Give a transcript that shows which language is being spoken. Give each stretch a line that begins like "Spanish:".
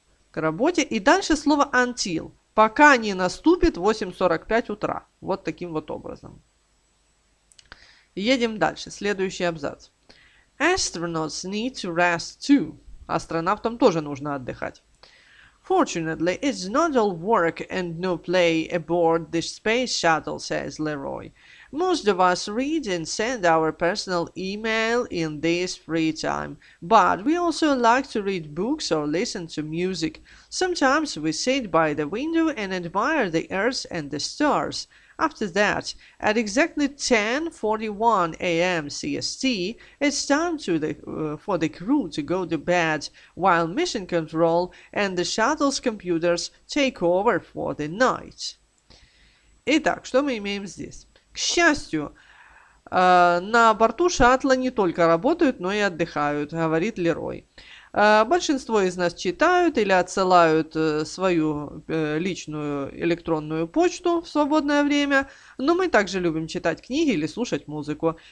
Russian: К работе. И дальше слово until. Пока не наступит 8.45 утра. Вот таким вот образом. Едем дальше. Следующий абзац.
English: Astronauts need to rest too.
Russian: Астронавтам тоже нужно отдыхать.
English: Fortunately, it's not all work and no play aboard the space shuttle, says Leroy. Most of us read and send our personal email in this free time. But we also like to read books or listen to music. Sometimes we sit by the window and admire the earth and the stars. After that, at exactly 10:41 a.m. CST, it's time to for the crew to go to bed while mission control and the shuttle's computers take over for the night.
Russian: Итак, что мы имеем здесь? К счастью, на борту шаттла не только работают, но и отдыхают, говорит Лерой. Большинство из нас читают или отсылают свою личную электронную почту в свободное время, но мы также любим читать книги или слушать музыку.